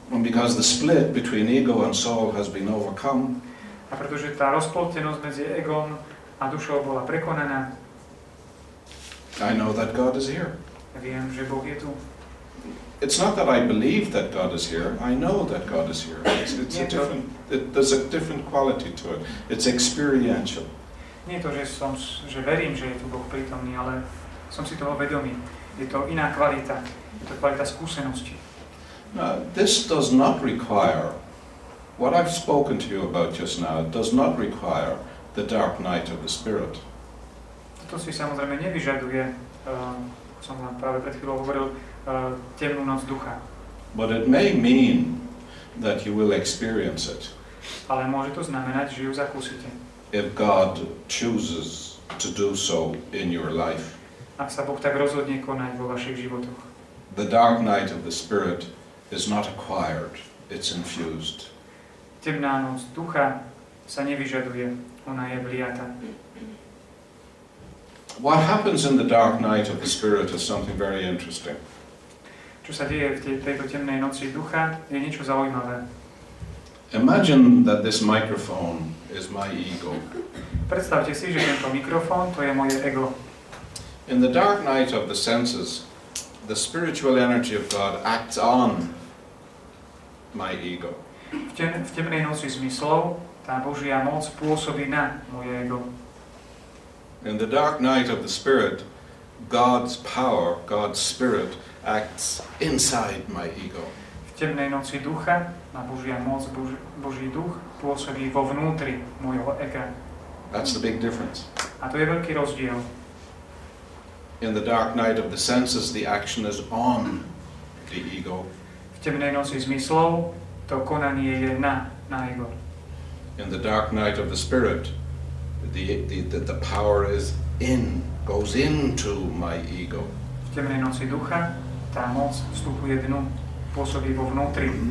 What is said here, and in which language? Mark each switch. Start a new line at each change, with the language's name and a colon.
English: And because the split between ego and soul has been overcome.
Slovak: A pretože tá rozpoltenosť medzi egom a dušou bola prekonaná.
English: I know that God is here.
Slovak: Viem, že Boh je tu.
English: It's not that I believe that God is here. I know that God is here. It's a different, there's a different quality to it. It's experiential.
Slovak: Nie to, že verím, že je tu Boh prítomný, ale som si toho vedomý. Je to iná kvalita. Je to kvalita skúsenosti.
English: Now, this does not require, what I've spoken to you about just now, does not require the dark night of the spirit.
Slovak: To si samozrejme nevyžaduje, som vám práve pred chvíľou hovoril, temnú noc ducha.
English: But it may mean that you will experience it.
Slovak: Ale môže to znamenať, že ju zakúsite.
English: If God chooses to do so in your life.
Slovak: Ak sa Boh tak rozhodne konať vo vašich životoch.
English: The dark night of the spirit is not acquired, it's infused.
Slovak: Temná noc ducha sa nevyžaduje, ona je vliata.
English: What happens in the dark night of the spirit is something very interesting.
Slovak: Čo sa deje v tejto temnej noci ducha, je niečo zaujímavé.
English: Imagine that this microphone is my ego.
Slovak: Predstavte si, že tento mikrofón, to je moje ego.
English: In the dark night of the senses, the spiritual energy of God acts on my ego.
Slovak: V temnej noci zmyslov, tá Božia moc pôsobí na moje ego.
English: In the dark night of the spirit, God's power, God's spirit acts inside my ego.
Slovak: V temnej noci ducha, na Božia moc, Boží duch pôsobí vo vnútri môjho ega.
English: That's the big difference.
Slovak: A to je veľký rozdiel.
English: In the dark night of the senses, the action is on the ego.
Slovak: V temnej noci zmyslov, to konanie je na ego.
English: In the dark night of the spirit, the power is in, goes into my ego.
Slovak: V temnej noci ducha, tá moc vstupuje dnu, pôsobí vo vnútri.